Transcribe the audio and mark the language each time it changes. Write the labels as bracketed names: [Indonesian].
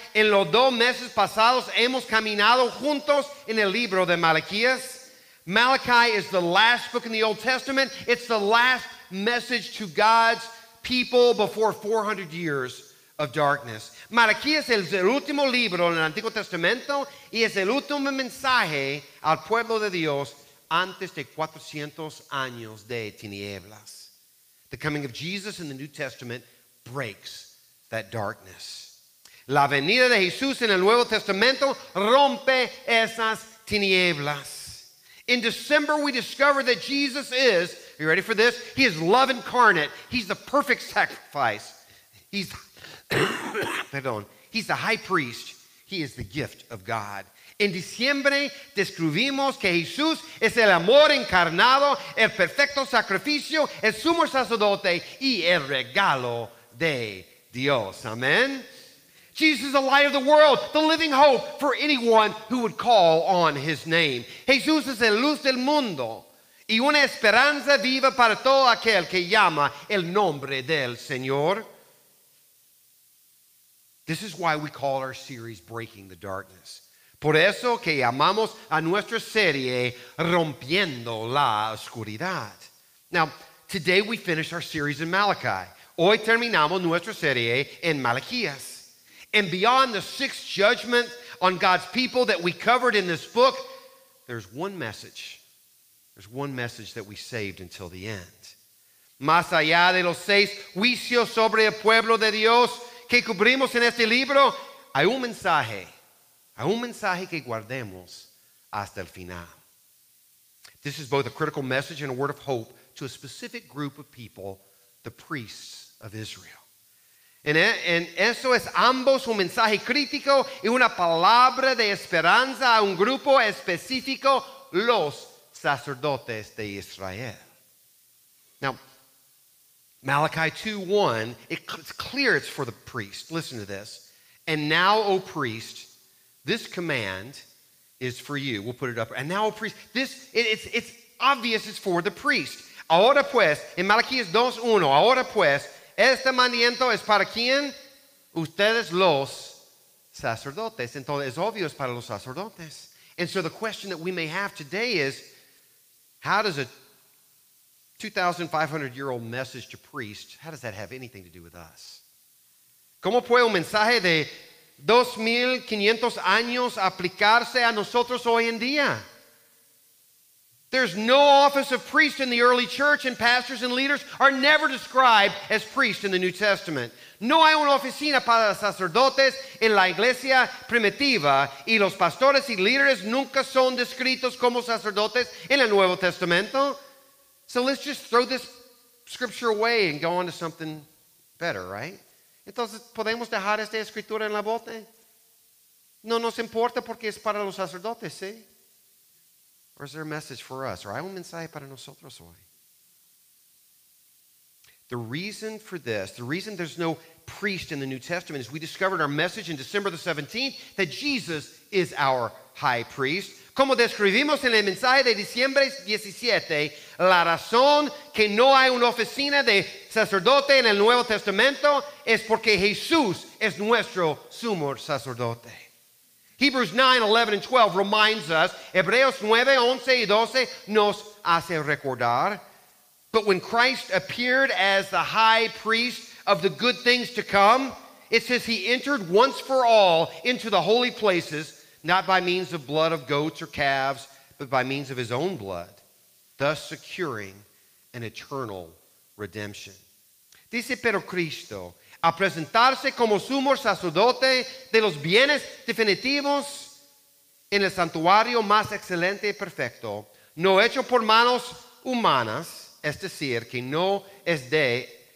[Spanish] En los dos meses pasados hemos caminado juntos en el libro de Malaquías. [English] Malachi is the last book in the Old Testament. It's the last message to God's people before 400 years of darkness. [Spanish] Malaquías es el último libro en el Antiguo Testamento y es el último mensaje al pueblo de Dios antes de 400 años de tinieblas. [English] The coming of Jesus in the New Testament breaks that darkness. [Spanish] La venida de Jesús en el Nuevo Testamento rompe esas tinieblas. [English] In December, we discover that Jesus is, are you ready for this? He is love incarnate. He's the perfect sacrifice. He's, perdón, he's the high priest. He is the gift of God. [Spanish] En diciembre, descubrimos que Jesús es el amor encarnado, el perfecto sacrificio, el sumo sacerdote y el regalo de Dios. [English] Amen. Jesus is the light of the world, the living hope for anyone who would call on his name. [Spanish] Jesús es el luz del mundo y una esperanza viva para todo aquel que llama el nombre del Señor. [English] This is why we call our series Breaking the Darkness. [Spanish] Por eso que llamamos a nuestra serie Rompiendo la Oscuridad. [English] Now, today we finish our series in Malachi. [Spanish] Hoy terminamos nuestra serie en Malaquías. [English] And beyond the sixth judgment on God's people that we covered in this book, there's one message. There's one message that we saved until the end. [Spanish] Más allá de los seis juicios sobre el pueblo de Dios que cubrimos en este libro, hay un mensaje. Hay un mensaje que guardemos hasta el final. [English] This is both a critical message and a word of hope to a specific group of people, the priests of Israel. [Spanish] En eso es ambos un mensaje crítico y una palabra de esperanza a un grupo específico, los sacerdotes de Israel. [English] Now, Malachi 2:1, it's clear it's for the priest. Listen to this. And now, O priest, this command is for you. We'll put it up. And now, O priest, it's obvious it's for the priest. [Spanish] Ahora pues, en Malaquías 2:1, ahora pues, este mandamiento es para quién? Ustedes los sacerdotes. Entonces, es obvio, es para los sacerdotes. [English] And so the question that we may have today is, how does a 2,500-year-old message to priests, how does that have anything to do with us? [Spanish] ¿Cómo puede un mensaje de 2,500 años aplicarse a nosotros hoy en día? [English] There's no office of priest in the early church, and pastors and leaders are never described as priests in the New Testament. [Spanish] No hay una oficina para sacerdotes en la iglesia primitiva, y los pastores y líderes nunca son descritos como sacerdotes en el Nuevo Testamento. [English] So let's just throw this scripture away and go on to something better, right? [Spanish] Entonces, ¿podemos dejar esta escritura en la bote? No nos importa porque es para los sacerdotes, ¿sí? [English] Or is there a message for us? Or [Spanish] hay un mensaje para nosotros hoy? [English] The reason for this, the reason there's no priest in the New Testament is we discovered our message in December the 17th that Jesus is our high priest. [Spanish] Como describimos en el mensaje de diciembre 17, la razón que no hay una oficina de sacerdote en el Nuevo Testamento es porque Jesús es nuestro sumo sacerdote. [English] Hebrews 9:11-12 reminds us, [Spanish] Hebreos 9:11-12 nos hace recordar, [English] but when Christ appeared as the high priest of the good things to come, it says he entered once for all into the holy places, not by means of blood of goats or calves, but by means of his own blood, thus securing an eternal redemption. [Spanish] Dice, pero Cristo, a presentarse como sumo sacerdote de los bienes definitivos en el santuario más excelente y perfecto, no hecho por manos humanas, es decir, que no es de